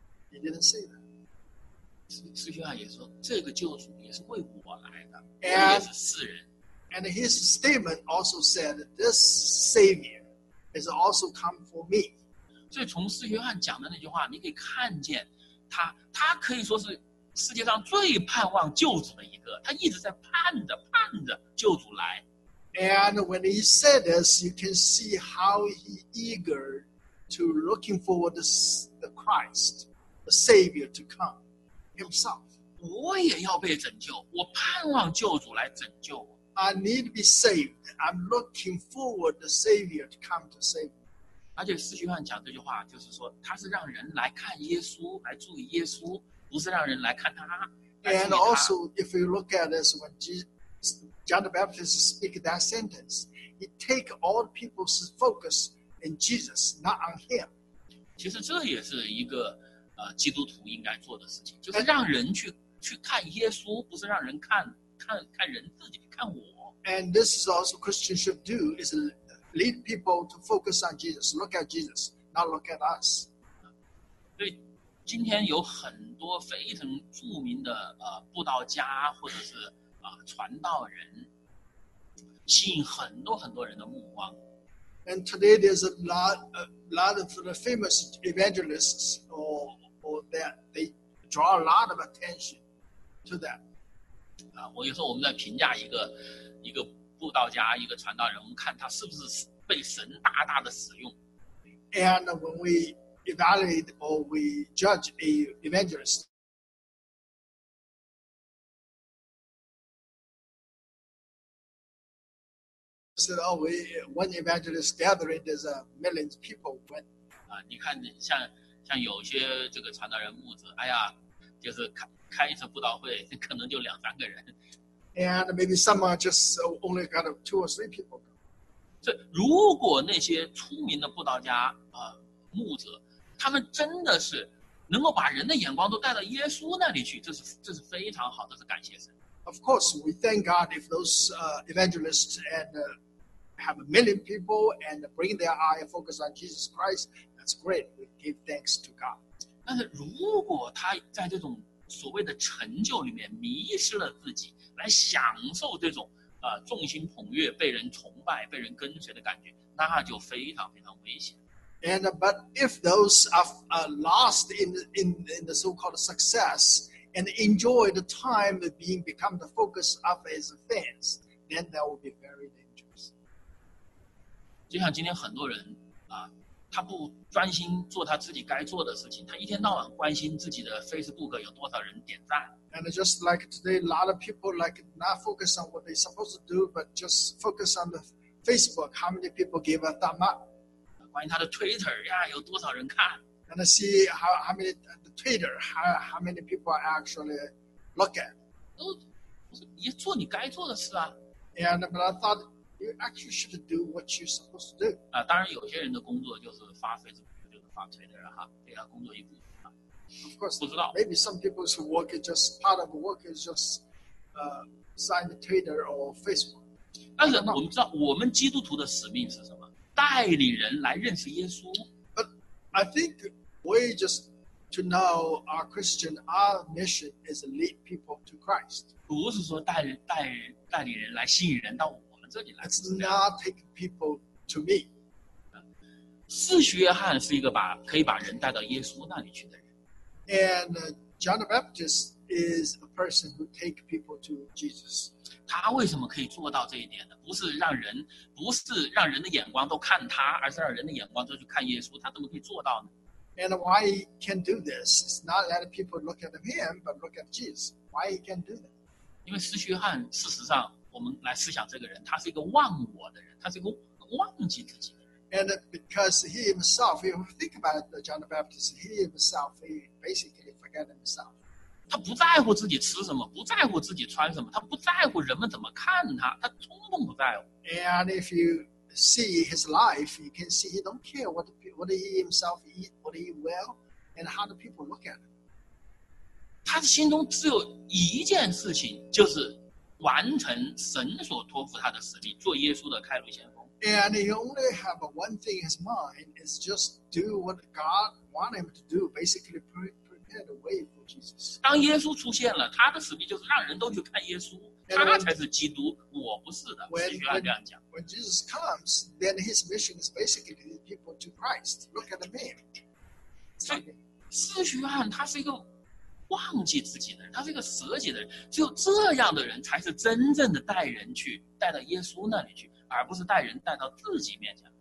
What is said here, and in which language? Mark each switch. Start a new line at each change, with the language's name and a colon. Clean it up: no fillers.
English: He didn't say that.
Chinese: 司约翰也说，这个救主也是为我来的，也是世人。
English: And his statement also said, this Savior has also come for me.
Chinese: 所以从使徒约翰讲的那句话，你可以看见他可以说是世界上最盼望救主的一个，他一直在盼着救主来。
English: And when he said this, you can see how he eager to looking forward to the Christ, the Savior to come himself.
Chinese: 我也要被拯救，我盼望救主来拯救我。
English: I need to be saved. I'm looking forward the Savior to come to save me.
Chinese: 而且使徒约翰讲这句话，就是说他是让人来看耶稣，来注意耶稣，不是让人来看他。
English: And also, if you look at this, when John the Baptist speak that sentence, he take all people's focus in Jesus, not on him.
Chinese: 其实这也是一个基督徒应该做的事情，就是让人去看耶稣，不是让人看人自己，看我。
English: And this is also Christians should do, is lead people to focus on Jesus, look at Jesus, not look at us.
Chinese: 对，今天有很多非常著名的布道家或者是传道人，吸引很多很多人的目光。
English: And today there's a lot of the famous evangelists or that they draw a lot of attention to them.
Chinese: 我有时候我们在评价一个布道家、一个传道人，我们看他是不是被神大大的使用。
English: And when we evaluate or we judge a evangelist. Said, "Oh, we one evangelist gathering is a millions of people." When
Chinese: 你看像有些这个传道人牧者，哎呀，就是开一次布道会，可能就两三个人。
English: And maybe some are just only kind of two or three people.
Chinese: 这如果那些出名的布道家牧者，他们真的是能够把人的眼光都带到耶稣那里去，这是非常好的，是感谢神。
English: Of course, we thank God if those evangelists and have a million people and bring their eye and focus on Jesus Christ, that's great. We give thanks to God.
Chinese: 但是如果他在这种所谓的成就里面迷失了自己，来享受这种众星捧月、被人崇拜、被人跟随的感觉，那就非常非常危险。
English: And but if those are lost in the so-called success,And enjoy the time of being become the focus of his fans, then that will be very dangerous.
Chinese: 就像今天很多人他不专心做他自己该做的事情，他一天到晚关心自己的 Facebook 有多少人点赞。
English: And just like today, a lot of people like not focus on what they're supposed to do, but just focus on the Facebook. How many people give a thumb up?
Chinese: 关心他的 Twitter 呀，有多少人看
English: ？And see how many. Twitter, how many people are actually look at?
Chinese: 你做你该做的事啊。
English: And but I thought you actually should do what you're supposed to do.
Chinese: 当然有些人的工作就是发 Facebook, 就是发 Twitter 哈，对啊，工作一部分啊。
English: Of course,
Chinese: 不知道。
English: Maybe some people's work is just part of work is just sign Twitter or Facebook.
Chinese: 但是我们知道，我们基督徒的使命是什么？带领人来认识耶稣。
English: But I think we just. To know our Christian, our mission is to lead people to Christ.
Chinese: 不是说带领人来吸引人到我们这里来。
English: It's not take people to me.
Chinese: 使徒约翰是一个可以把人带到耶稣那里去的人。
English: And John the Baptist is a person who take people to Jesus.
Chinese: 他为什么可以做到这一点呢？不是让人的眼光都看他，而是让人的眼光都去看耶稣。他怎么可以做到呢？
English: And why he can do this? It's not let people look at him, but look at Jesus. Why he can do that?
Chinese: 因为使徒约翰，事实上，我们来思想这个人，他是一个忘我的人，他是一个忘记自己的人。
English: And because he himself, if you think about John the Baptist, he himself, he basically forget himself.
Chinese: 他不在乎自己吃什么，不在乎自己穿什么，他不在乎人们怎么看他，他通通不在乎。
English: And if you see his life, you can see he don't care what he himself eat, what he well, and how the people look at him.
Chinese: 他心中只有一件事情，就是完成神所托付他的使命，做耶稣的开路先锋。
English: And he only have one thing in his mind, is just do what God wanted him to do, basically prepare the way for Jesus.
Chinese: 当耶稣出现了，他的使命就是让人都去看耶稣，他才是基督，我我不是的，是约翰这样讲。
English: When Jesus comes, then his mission is basically to people to Christ. Look at me.
Chinese: 所以，施洗约翰他是一个忘记自己的人，他是一个舍己的人。只有这样的人才是真正的带人去带到耶稣那里去，而不是带人带到自己面前。